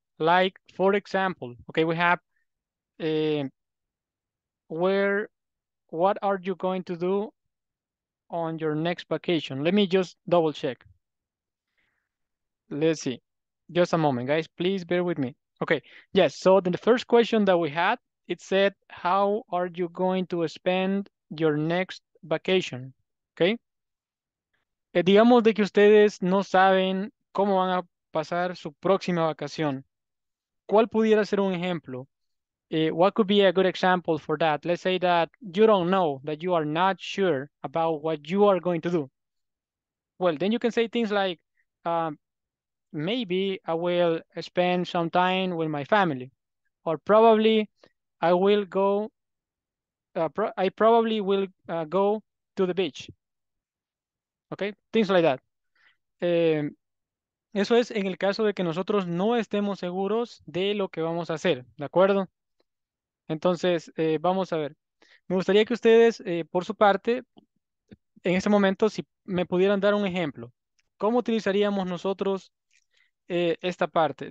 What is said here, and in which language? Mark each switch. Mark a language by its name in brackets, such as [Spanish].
[English] Like, for example, okay, we have what are you going to do on your next vacation? Let me just double check. Let's see. Just a moment, guys. Please bear with me. Okay. Yes. So, then the first question that we had, it said, how are you going to spend your next vacation? Okay. [Spanish] Digamos de que ustedes no saben cómo van a pasar su próxima vacación. ¿Cuál pudiera ser un ejemplo? [English] What could be a good example for that? Let's say that you don't know, that you are not sure about what you are going to do. Well, then you can say things like, maybe I will spend some time with my family, or probably I will go, I probably will go to the beach. Okay, things like that. [Spanish] Eso es en el caso de que nosotros no estemos seguros de lo que vamos a hacer, ¿de acuerdo? Entonces, vamos a ver. Me gustaría que ustedes, por su parte, en este momento, si me pudieran dar un ejemplo, ¿cómo utilizaríamos nosotros esta parte?